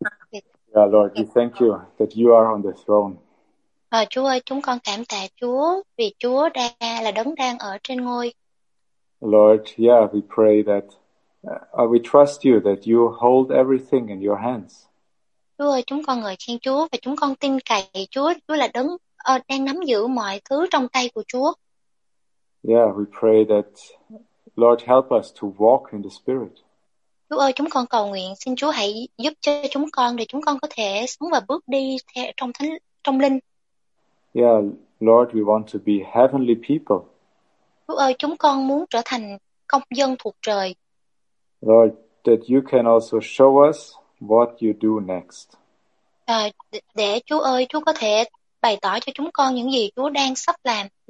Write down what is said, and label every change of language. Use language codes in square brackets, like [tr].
[en] Yeah, Lord, we thank you that you are on the throne. [vi] Chúa ơi, chúng con cảm tạ Chúa vì Chúa đang là đấng đang ở trên ngôi. [en] Lord, yeah, we pray that we trust you that you hold everything in your hands. [vi] Chúa ơi, chúng con ngợi khen Chúa và chúng con tin cậy Chúa là đấng đang nắm giữ mọi thứ trong tay của Chúa. [en] Yeah, we pray that Lord help us to walk in the Spirit. [vi] Chúa ơi, chúng con cầu nguyện, xin Chúa hãy giúp cho chúng con để chúng con có thể sống và bước đi trong linh. [en] Yeah, Lord, we want to be heavenly people. [vi] Chúa ơi, chúng con muốn trở thành công dân thuộc trời. [en] Lord, that you can also show us what you do next. [vi] Để Chúa ơi, Chúa có thể bày tỏ cho chúng con những gì Chúa đang sắp làm.